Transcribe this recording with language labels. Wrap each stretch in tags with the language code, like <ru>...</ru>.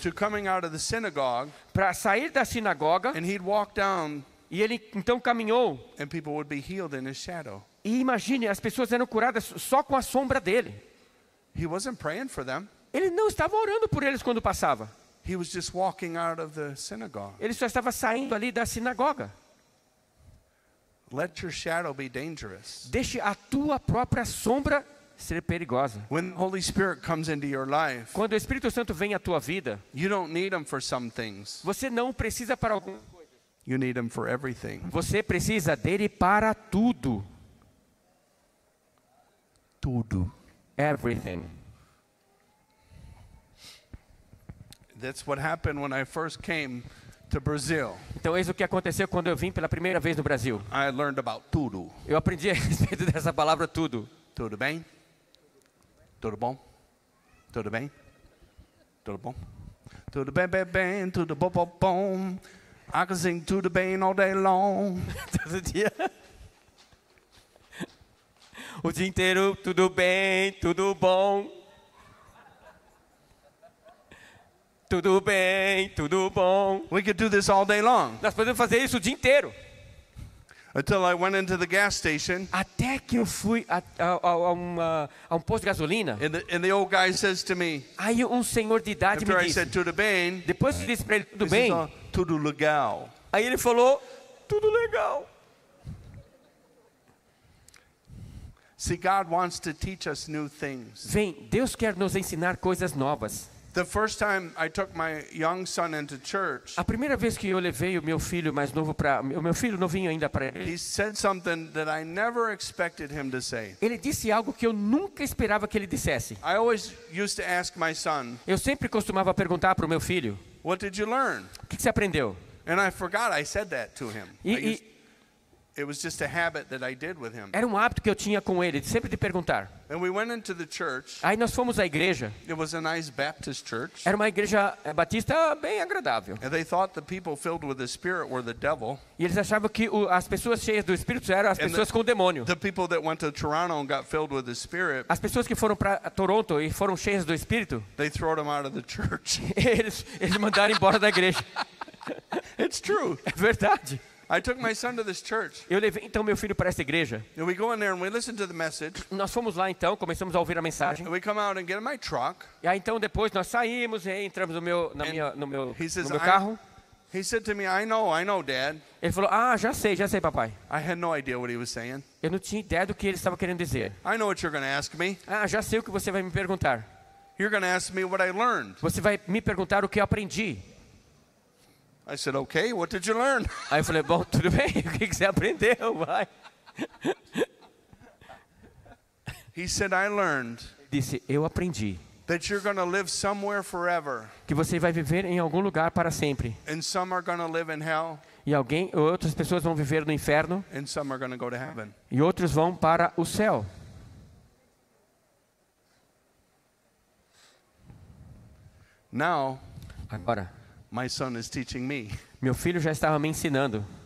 <en>To coming out of the synagogue.</en> <pt>Para sair da sinagoga.</pt> <en>And he'd walk down.</en> <pt>E ele então caminhou.</pt> <en>And people would be healed in his shadow.</en> <pt>E imagine, as pessoas eram curadas só com a sombra dele.</pt> <en>He wasn't praying for them.</en> <pt>Ele não estava orando por eles quando passava.</pt> <en>He was just walking out of the synagogue.</en> <pt>Ele só estava saindo ali da sinagoga.</pt> <en>Let your shadow be dangerous.</en> <pt>Deixe a tua própria sombra ser perigosa.</pt> <en>When the Holy Spirit comes into your life,</en> <pt>quando o Espírito Santo vem à tua vida,</pt> <en>you don't need him for some things.</en> <pt>Você não precisa para algumas coisas.</pt> <en>You need him for everything.</en> <pt>Você precisa dele para tudo. Tudo.</pt> <en>Everything. That's what happened when I first came to Brazil.</en> <pt>Então é isso que aconteceu quando eu vim pela primeira vez no Brasil.</pt> <en>I learned about tudo.</en> <pt>Eu aprendi a respeito dessa palavra tudo. Tudo bem? Tudo bom? Tudo bem? Tudo bom? Tudo bem, bem, bem, tudo bom, bom, bom.</pt> <en>I can sing</en> <pt>tudo bem</pt> <en>all day long.</en> <pt>Todo dia. O dia inteiro, tudo bem, tudo bom. Tudo bem, tudo bom.</pt> <en>We could do this all day long.</en> <pt>Nós podemos fazer isso o dia inteiro.</pt> <en>Until I went into the gas station.</en> <pt>Até que eu fui a um posto de gasolina.</pt> <en>And the old guy says to me.</en> <pt>Aí um senhor de idade me disse.</pt> <en>I said,</en> <pt>tudo bem. Depois eu disse para ele tudo bem. Tudo legal. Aí ele falou tudo legal.</pt> <en>See, God wants to teach us new things.</en> <pt>Vem, Deus quer nos ensinar coisas novas.</pt> <en>The first time I took my young son into church.</en> <pt>A primeira vez que eu levei o meu filho mais novo para o meu filho novinho ainda para ele.</pt> <en>He said something that I never expected him to say.</en> <pt>Ele disse algo que eu nunca esperava que ele dissesse.</pt> <en>I always used to ask my son.</en> <pt>Eu sempre costumava perguntar para o meu filho.</pt> <en>What did you learn?</en> <pt>O que você aprendeu?</pt> <en>And I forgot I said that to him. It was just a habit that I did with him.</en> <pt>Era um hábito que eu tinha com ele, sempre de perguntar.</pt> <en>And we went into the church.</en> <pt>Aí nós fomos à igreja.</pt> <en>It was a nice Baptist church.</en> <pt>Era uma igreja batista bem agradável.</pt> <en>And they thought the people filled with the Spirit were the devil.</en> <pt>E eles achavam que as pessoas cheias do Espírito eram as pessoas com o demônio.</pt> <en>The people that went to Toronto and got filled with the Spirit.</en> <pt>As pessoas que foram para Toronto e foram cheias do Espírito.</pt> <en>They threw them out of the church.</en> <pt>Eles mandaram embora da igreja.</pt> <en>It's true.</en> <pt>É verdade.</pt> <en>I took my son to this church.</en> <pt>Eu levei então meu filho para essa igreja.</pt> <en>And we go in there and we listen to the message.</en> <pt>Nós fomos lá então, começamos a ouvir a mensagem.</pt> <en>And we come out and get in my truck.</en> <pt>E aí então depois nós saímos e entramos no meu carro.</pt> <en>He said to me, I know, Dad.</en> <pt>Ele falou, ah, já sei, papai.</pt> <en>I had no idea what he was saying.</en> <pt>Eu não tinha ideia do que ele estava querendo dizer.</pt> <en>I know what you're going to ask me.</en> <pt>Ah, já sei o que você vai me perguntar.</pt> <en>You're going to ask me what I learned.</en> <pt>Você vai me perguntar o que eu aprendi.</pt> <en>I said, okay, what did you learn?</en> <pt>Aí eu falei, bom, tudo bem, o que você aprendeu, vai.</pt> <en>He said, I learned.</en> <pt>Disse, eu aprendi.</pt> <en>That you're going to live somewhere forever.</en> <pt>Que você vai viver em algum lugar para sempre.</pt> <en>And some are going to live in hell.</en> <pt>E alguém, outras pessoas vão viver no inferno.</pt> <en>And some are going to go to heaven.</en> <pt>E outros vão para o céu.</pt> <en>Now,</en> <pt>agora,</pt> <en>my son is teaching me.</en> <pt>Meu filho já estava me ensinando.</pt>